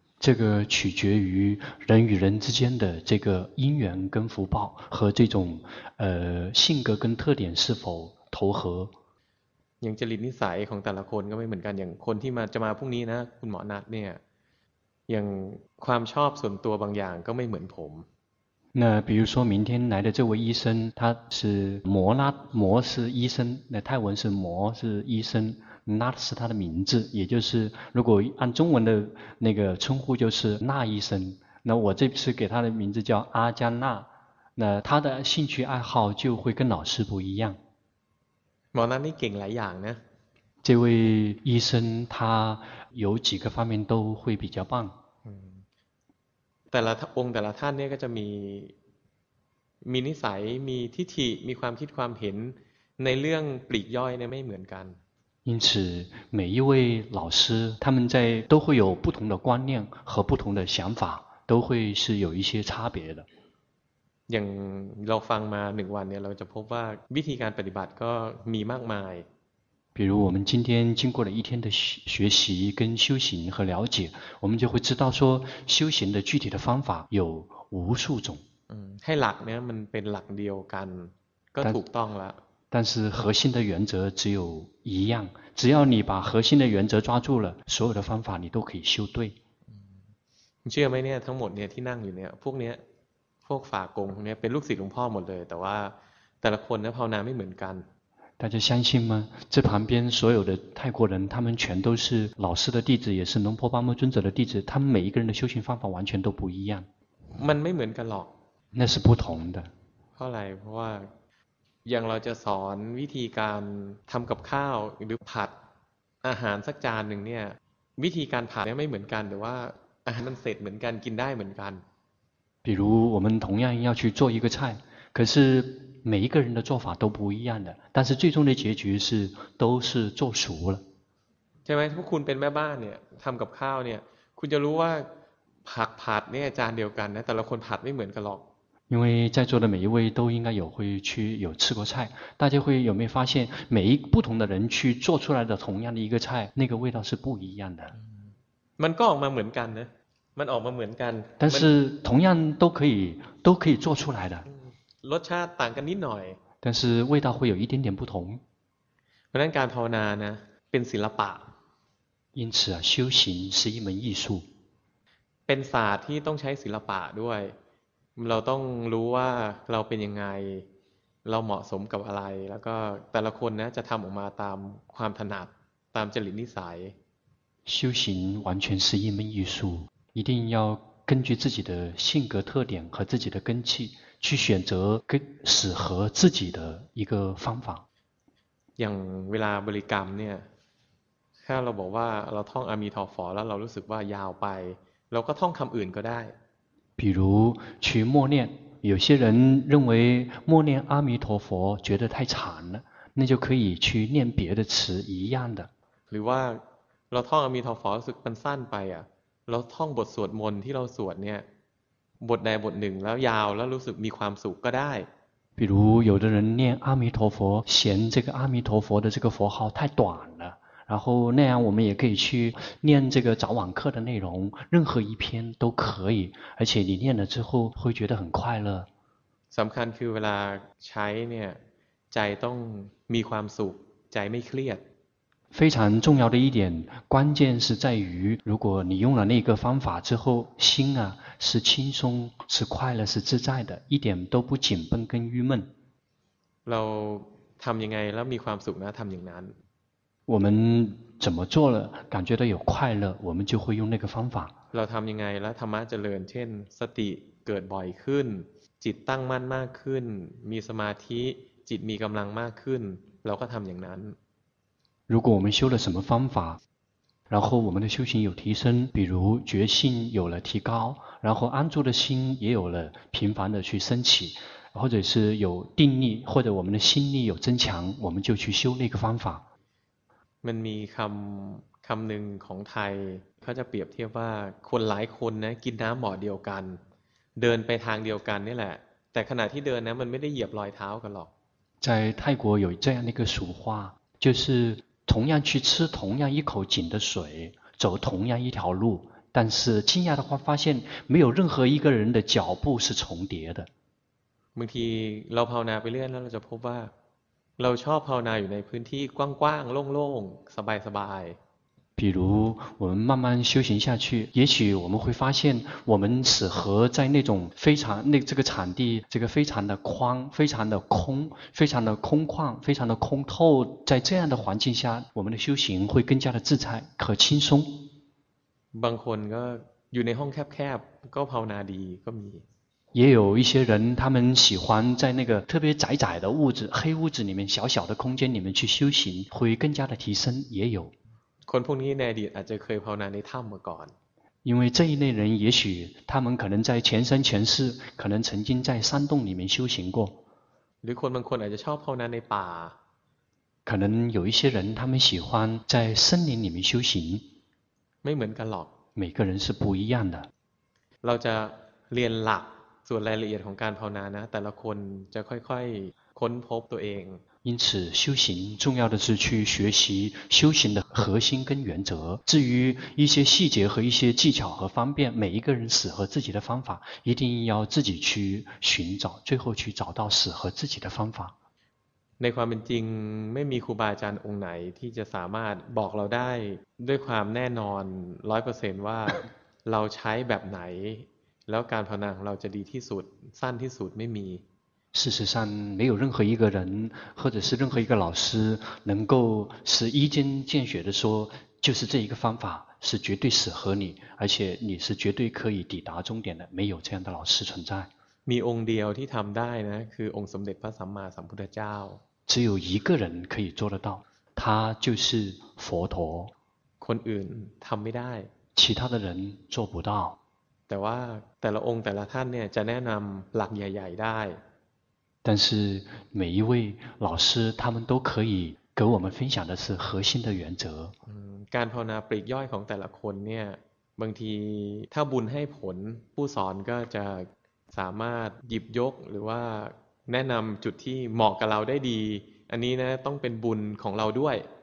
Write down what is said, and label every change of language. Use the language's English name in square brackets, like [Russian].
[Chinese] 这个取决于人与人之间的这个因缘跟福报和这种性格跟特点是否投合 [Thai] อย่างจริตนิสัยของแต่ละคนก็ไม่เหมือนกันอย่างคนที่มาจะมาพรุ่งนี้นะคุณหมอนัทเนี่ยอย่างความชอบส่วนตัวบางอย่างก็ไม่เหมือนผม [Chinese] 那比如说明天来的这位医生他是摩拉摩是医生那泰文是摩是医生那是他的名字也就是如果按中文的那个称呼就是那医生那我这次给他的名字叫阿加纳那他的兴趣爱好就会跟老师不一样摩拉你挺来养呢这位医生他有几个方面都会比较棒 [Thai] แต่ละองค์แต่ละท่านเนี่ยก็จะมีนิสัยมีทิฏฐิมีความคิดความเห็นในเรื่องปลีกย่อยเนี่ยไม่เหมือนกัน [Chinese] 因此每一位老师他们在都会有不同的观念和不同的想法都会是有一些差别的 [Thai] อย่างเราฟังมา1วันเนี่ยเราจะพบว่าวิธีการปฏิบัติก็มีมากมาย [Chinese] 比如我们今天经过了一天的学习跟修行和了解我们就会知道说修行的具体的方法有无数种 [Thai] ให้หลักเนี่ยมันเป็นหลักเดียวกันก็ถูกต้องแล้ว [Chinese] 但是核心的原则只有一样只要你把核心的原则抓住了所有的方法你都可以修对你 [Thai] เชื่อไหมเนี่ยทั้งหมดเนี่ยที่นั่งอยู่เนี่ยพวกเนี้ยพวกฝากงเนี่ยเป็นลูกศิษย์หลวงพ่อหมดเลยแต่ว่าแต่ละคนเนี่ยภาวนาไม่เหมือนกัน [Chinese] 大家相信吗？这旁边所有的泰国人，他们全都是老师的弟子，也是龙婆巴木尊者的弟子，他们每一个人的修行方法完全都不一样。 [Thai] มันไม่เหมือนกันหรอก。 [Chinese] 那是不同的。 [Thai] เพราะอะไรเพราะว่าอย่างเราจะสอนวิธีการทำกับข้าวหรือผัดอาหารสักจานหนึ่งเนี่ยวิธีการผัดเนี่ยไม่เหมือนกันแต่ว่าอาหารมันเสร็จเหมือนกันกินได้เหมือนกัน。 [Chinese] 比如我们同样要去做一个菜，可是。每一个人的做法都不一样的但是最终的结局是都是做熟了 [Thai] ใช่ไหมพวกคุณเป็นแม่บ้านเนี่ยทำกับข้าวเนี่ยคุณจะรู้ว่าผักผัดเนี่ยจานเดียวกันนะแต่ละคนผัดไม่เหมือนกันหรอก [Chinese] 因为在座的每一位都应该有会去有吃过菜大家会有没有发现每一不同的人去做出来的同样的一个菜那个味道是不一样的 [Thai] มันก็ออกมาเหมือนกันนะมันออกมาเหมือนกัน [Chinese] 但是同样都可以做出来的 [Thai] รสชาติต่างกันนิดหน่อย [Chinese] 但是味道会有一点点不同 [Thai] เพราะนั้นการภาวนานะเป็นศิลปะ [Chinese] 因此啊修行是一门艺术 [Thai] เป็นศาสตร์ที่ต้องใช้ศิลปะด้วยเราต้องรู้ว่าเราเป็นยังไงเราเหมาะสมกับอะไรแล้วก็แต่ละคนนะจะทำออกมาตามความถนัดตามจริตนิสัย [Chinese] 修行完全是一门艺术一定要根据自己的性格特点和自己的根气去选择更适合自己的一个方法。 [Thai] อย่างเวลาบริกรรมเนี่ยถ้าเราบอกว่าเราท่องอะมีทอฟอแล้วเรารู้สึกว่ายาวไปเราก็ท่องคำอื่นก็ได้。 [Chinese] 比如去默念，有些人认为默念阿弥陀佛觉得太长了，那就可以去念别的词一样的。 [Thai] หรือว่าเราท่องอะมีทอฟอรู้สึกมันสั้นไปอ่ะเราท่องบทสวดมนต์ที่เราสวดเนี่ยบทใดบทหนึ่งแล้วยาวแล้วรู้สึกมีความสุขก็ได้ [Chinese] 比如有的人念阿弥陀佛嫌这个阿弥陀佛的这个佛号太短了然后那样我们也可以去念这个早晚课的内容任何一篇都可以而且你念了之后会觉得很快乐 [Thai] สำคัญคือเวลาใช้เนี่ยใจต้องมีความสุขใจไม่เครียด [Chinese] 非常重要的一点关键是在于如果你用了那个方法之后心啊是轻松是快乐是自在的一点都不紧绷跟郁闷 [Thai] เราทำยังไงแล้วมีความสุขนะทำอย่างนั้น [Chinese] 我们怎么做了感觉到有快乐我们就会用那个方法 [Thai] เราทำยังไงแล้วธรรมะเจริญเช่นสติเกิดบ่อยขึ้นจิตตั้งมั่นมากขึ้นมีสมาธิจิตมีกำลังมากขึ้นเราก็ทำอย่างนั้น [Chinese] 如果我们修了什么方法然后我们的修行有提升比如觉性有了提高然后安住的心也有了频繁的去升起或者是有定力或者我们的心力有增强我们就去修那个方法 [Thai] มันมีคำหนึ่งของไทยเขาจะเปรียบเทียบว่าคนหลายคนนะกินน้ำหม้อเดียวกันเดินไปทางเดียวกันนี่แหละแต่ขณะที่เดินนะมันไม่ได้เหยียบรอยเท้ากันหรอก [Chinese] 在泰国有这样的一个俗话就是同样去吃同样一口井的水走同样一条路但是惊讶的话发现没有任何一个人的脚步是重叠的 [Thai] บางทีเราภาวนาไปเรื่อยแล้วเราจะพบว่าเราชอบภาวนาอยู่ในพื้นที่กว้างๆโล่งๆสบาย [Chinese] ๆ比如我们慢慢修行下去也许我们会发现我们适合在那种非常那这个场地这个非常的宽非常的空非常的空旷非常的空透在这样的环境下我们的修行会更加的自在可轻松 [Thai] บางคนก็อยู่ในห้องแคบๆก็ภาวนาดีก็มี [Chinese] 也有一些人他们喜欢在那个特别窄窄的屋子黑屋子里面小小的空间里面去修行会更加的提升也有 [Thai] คนพวกนี้ในอดีตอาจจะเคยภาวนาในถ้ำมาก่อน [Chinese] 因为这一类人也许他们可能在前生前世可能曾经在山洞里面修行过 [Thai] หรือคนบางคนอาจจะชอบภาวนาในป่า [Chinese] 可能有一些人他们喜欢在森林里面修行 [Thai] ไม่เหมือนกันหรอก [Chinese] 每个人是不一样的 [Thai] เราจะเรียนหลักส่วนรายละเอียดของการภาวนานะแต่ละคนจะค่อยๆค้นพบตัวเอง [Chinese] 因此修行重要的是去学习修行的核心跟原则至于一些细节和一些技巧和方便每一个人适合自己的方法一定要自己去寻找最后去找到适合自己的方法 [Thai] ในความเป็นจริงไม่มีครูบาอาจารย์องค์ไหนที่จะสามารถบอกเราได้ด้วยความแน่นอน 100% ว่าเราใช้แบบไหนแล้วการภาวนาของเราจะดีที่สุดสั้นที่สุดไม่มี [Chinese] 事实上没有任何一个人或者是任何一个老师能够是一针见血的说就是这一个方法是绝对适合你而且你是绝对可以抵达终点的没有这样的老师存在 [Thai] มีองค์เดียวที่ทำได้นะคือองค์สมเด็จพระสัมมาสัมพุทธเจ้า [Chinese] 只有一个人可以做得到他就是佛陀 [Thai] คนอื่นทำไม่ได้ [Chinese] 其他的人做不到 [Thai] แต่ว่าแต่ละองค์แต่ละท่านเนี่ยจะแนะนำหลักใหญ่ๆได้ [Chinese] 但是每一位老师他们都可以给我们分享的是核心的原则 [Thai] การภาวนาปลีกย่อยของแต่ละคนเนี่ยบางทีถ้าบุญให้ผลผู้สอนก็จะสามารถหยิบยกหรือว่าแนะนำจุดที่เหมาะกับเราได้ดีอันนี้นะต้องเป็นบุญของเราด้วย